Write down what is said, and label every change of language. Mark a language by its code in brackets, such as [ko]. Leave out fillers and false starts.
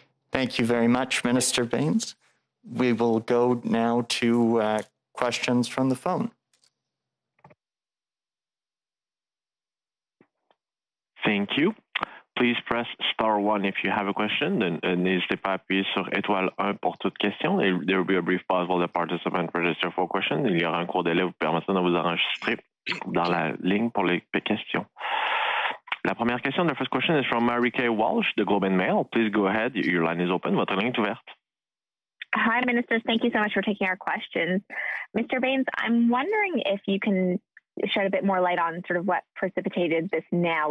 [en] Thank you very much, Minister Bains. We will go now to questions from the phone. Thank you. Please press star one if you have a question. N'hésitez pas à appuyer sur étoile 1 pour toute question. There will be a brief pause while the participants register for questions. [fr] Il y aura un court délai vous permettant de vous enregistrer dans la ligne pour les questions. [en] La première question, the first question is from Mary Kay Walsh, The Globe and Mail. Please go ahead. Your line is open. Votre ligne est ouverte. Hi, ministers. Thank you so much for taking our questions. Mr. Bains, I'm wondering if you can shed a bit more light on sort of what precipitated this now.